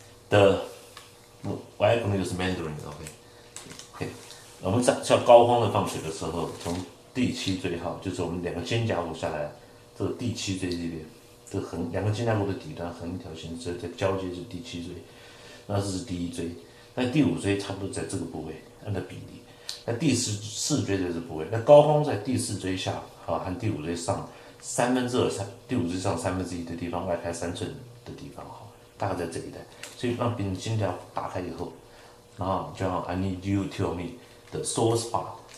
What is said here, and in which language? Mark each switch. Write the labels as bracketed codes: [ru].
[en] The wife [zh] 那个是 [en] Mandarin，OK，OK。 [zh] 我们在高荒的放血的时候，从第七椎哈，就是我们两个肩胛骨下来，这个第七椎这边，这横两个肩胛骨的底端横一条线，这在交接是第七椎，那是第一椎，那第五椎差不多在这个部位，按照比例。那第四椎在这部位，那高肓在第四椎下，啊，和第五椎上三分之二，第五椎上三分之一的地方，外开3寸的地方，哈，大概在这一带。所以让病人肩胛打开以后，然后就像 [en] I need you tell me the sore spot。